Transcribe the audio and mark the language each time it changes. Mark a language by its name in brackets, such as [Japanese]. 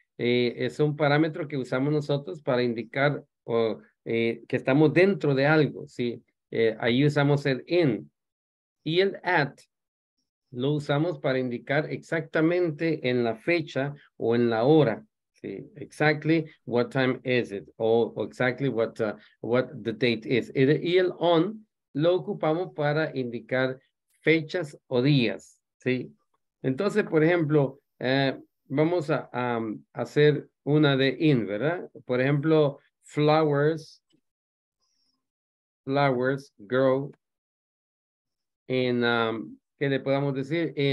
[Spanish] Es un parámetro que usamos nosotros para indicar que estamos dentro de algo, ¿sí? Ahí usamos el in. Y el at lo usamos para indicar exactamente en la fecha o en la hora, ¿sí? [English] Exactly what time is it, o exactly what the date is. [Spanish] Y el on lo ocupamos para indicar fechas o días, ¿sí? Entonces, por ejemplo, vamos a hacer una de in, ¿verdad? Por ejemplo, [English] flowers grow in, [Spanish] ¿qué le podamos decir?